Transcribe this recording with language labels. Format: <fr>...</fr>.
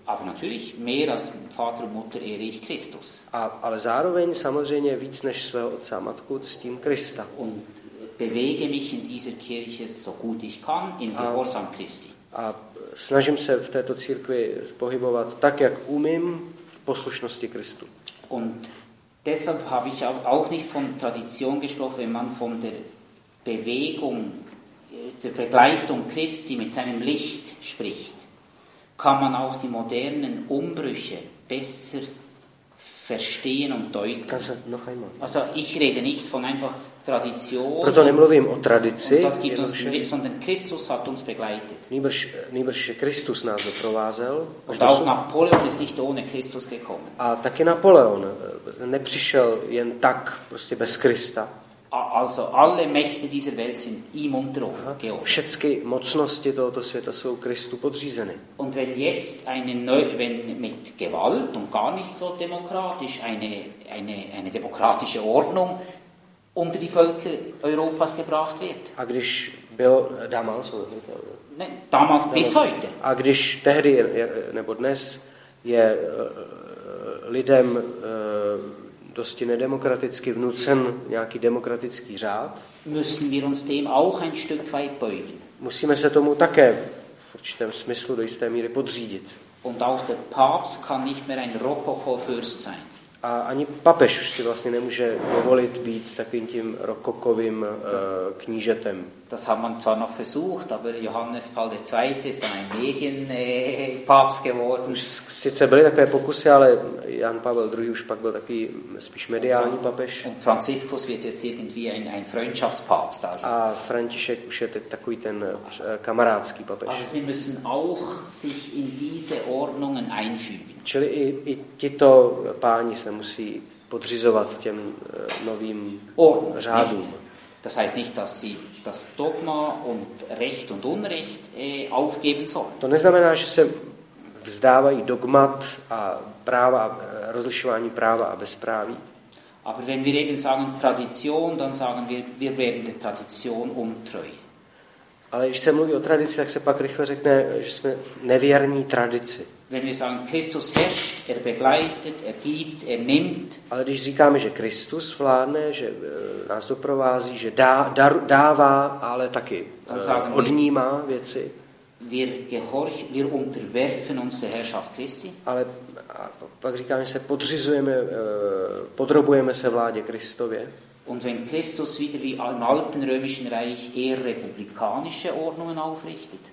<de>Aber natürlich mehr als Vater und Mutter ehre ich Christus.</de> <cs>Ale zároveň samozřejmě víc než svého otce a matku ctím Krista.</cs> <de>Und bewege mich in dieser Kirche so gut ich kann im Gehorsam Christi.</de> <cs>A snažím se v této církvi pohybovat tak, jak umím, v poslušnosti Kristu.</cs> <de>Und deshalb habe ich auch nicht von Tradition gesprochen, wenn man von der Bewegung, der Begleitung Christi mit seinem Licht spricht, kann man auch die modernen Umbrüche besser verstehen und deuten. Kannst du noch einmal? Also ich rede nicht von einfach Tradition.</de> <cs>Proto nemluvím o tradici,</cs> <de>sondern Christus hat uns begleitet.</de> <cs>Nýbrž Kristus nás doprovázel.</cs> <de>Und auch Napoleon ist nicht ohne Christus gekommen.</de> <cs>A taky Napoleon nepřišel jen tak, prostě bez Krista.</cs> <de>Also alle Mächte dieser Welt sind ihm unterworfen.</de> <cs>Všechny mocnosti tohoto světa jsou Kristu podřízeny.</cs> <de>Und wenn jetzt wenn mit Gewalt und gar nicht so demokratisch eine demokratische Ordnung unter die Völker Europas gebracht wird.</de> <cs>A když byl</cs> <de>damals, ne, damals bis heute.</de> <cs>A když tehdy nebo dnes je lidem dosti nedemokraticky vnucen nějaký demokratický řád.</cs> <de>Müssen wir uns dem auch ein Stück weit beugen.</de> <cs>Musíme se tomu také v určitém smyslu do jisté míry podřídit.</cs> <de>Und auch der Papst kann nicht mehr ein Rokoko-Fürst sein.</de> <cs>A ani papež už si vlastně nemůže dovolit být takovým tím rokokovým knížetem.</cs> <de>Das hat man zwar noch versucht, aber Johannes Paul II. Ist dann ein Medienpapst geworden.</de> <cs>Sice byly takové pokusy, ale Jan Pavel II. Už pak byl takový spíš mediální papež.</cs> <de>Und Franziskus wird jetzt irgendwie ein Freundschaftspapst. Also.</de> <cs>A František už je teď takový ten kamarádský papež.</cs> <de>Also sie müssen auch sich in diese Ordnungen einfügen.</de> <cs>Čili i tito páni se musí podřizovat těm novým řádům.</cs> <de>Das heißt nicht, dass sie das Dogma und Recht und Unrecht aufgeben sollen.</de> <cs>To neznamená, že se vzdávají dogmat a práva, rozlišování práva a bezpráví.</cs> <de>Aber wenn wir eben sagen Tradition, dann sagen wir werden der Tradition untreu.</de> <cs>Ale když se mluví o tradici, tak se pak rychle řekne, že jsme nevěrní tradici.</cs> <de>Wenn wir sagen, Christus herrscht, er begleitet, er gibt, er nimmt.</de> <cs>Ale když říkáme, že Kristus vládne, že nás doprovází, že dává, ale taky odnímá věci.</cs> <de>Wir unterwerfen uns der Herrschaft Christi.</de> <cs>Ale pak říkáme, že se podřizujeme, podrobujeme se vládě Kristově.</cs> <de>Und wenn Christus wieder wie im alten römischen Reich eher republikanische Ordnungen aufrichtet.</de>